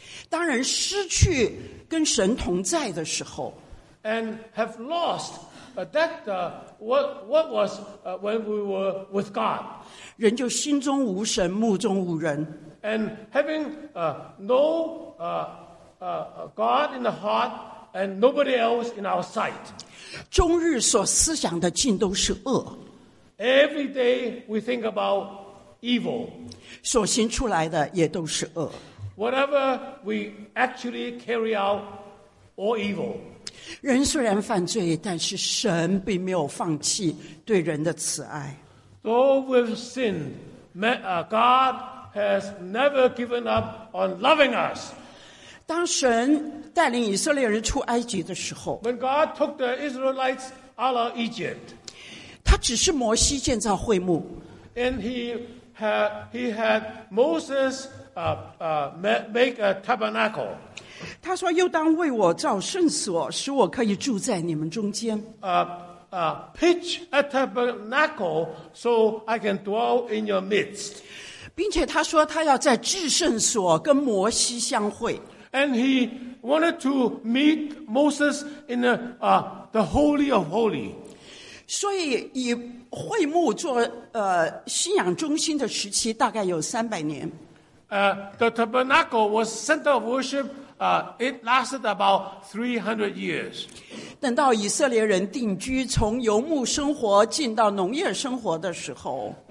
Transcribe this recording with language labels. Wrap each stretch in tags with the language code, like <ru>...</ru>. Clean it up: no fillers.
<zh>当人失去跟神同在的时候</zh> <en>and have lost when we were with God,</en> <zh>人就心中无神，目中无人。</zh> <en>And having God in the heart and nobody else in our sight,</en> <zh>终日所思想的尽都是恶。</zh> <en>Every day we think about evil,</en> <zh>所行出来的也都是恶。</zh> <en>Whatever we actually carry out, all evil.</en> <zh>人虽然犯罪，但是神并没有放弃对人的慈爱。</zh> <en>Though we've sinned, God has never given up on loving us.</en> <zh>当神带领以色列人出埃及的时候</zh> <en>，When God took the Israelites out of Egypt,</en> <zh>他只是摩西建造会幕</zh> <en>，and he had Moses make a tabernacle.</en> <zh>他说又当为我造圣所使我可以住在你们中间</zh> <en>pitch a tabernacle so I can dwell in your midst</en> <zh>并且他说他要在至圣所跟摩西相会</zh> <en>and he wanted to meet Moses in the holy of holy</en> <zh>所以以会幕做信仰中心的时期大概有300年</zh> <en>the tabernacle was center of worshipit lasted about 300 years.</en> <zh>等到以色列人定居，从游牧生活进到农业生活的时候</zh>